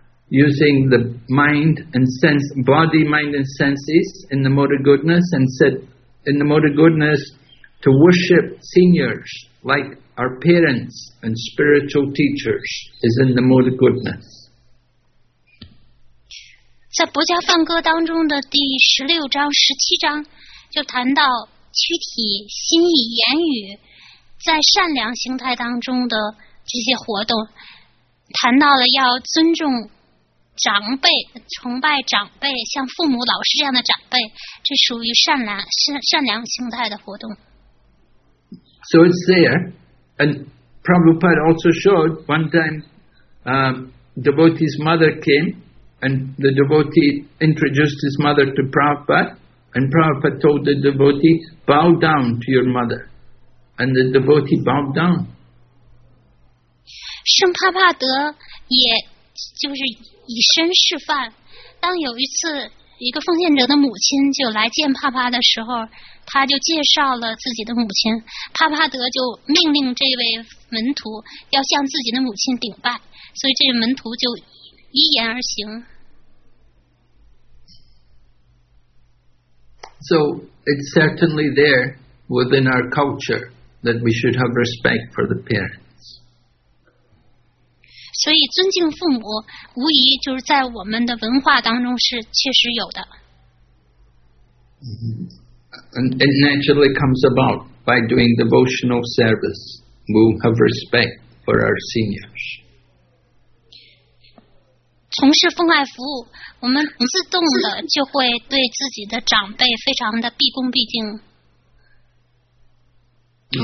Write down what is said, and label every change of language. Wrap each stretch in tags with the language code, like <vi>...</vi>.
<en>using the mind and sense, body, mind and senses in the mode of goodness, and said in the mode of goodness to worship seniors like our parents and spiritual teachers is in the mode of goodness.</en> <zh>在佛家梵歌当中的第十六章、十七章，就谈到躯体、心意、言语，在善良形态当中的这些活动，谈到了要尊重长辈、崇拜长辈，像父母、老师这样的长辈，这属于善良形态的活动。</zh> <en>So it's there, and Prabhupada also showed one time, devotee's mother came. And the devotee introduced his mother to Prabhupada, and Prabhupada told the devotee, bow down to your mother. And the devotee bowed down.</en> <zh>圣帕帕德也就是以身示范，当有一次一个奉献者的母亲就来见帕帕的时候，他就介绍了自己的母亲，帕帕德就命令这位门徒要向自己的母亲顶拜，所以这位门徒就一言而行。</zh> <en>So it's certainly there within our culture that we should have respect for the parents.</en> <zh>所以尊敬父母无疑就是在我们的文化当中是确实有的。</zh> <en>And it naturally comes about by doing devotional service. We have respect for our seniors.</en> <zh>从事奉爱服务，我们自动的就会对自己的长辈非常的毕恭毕敬。</zh>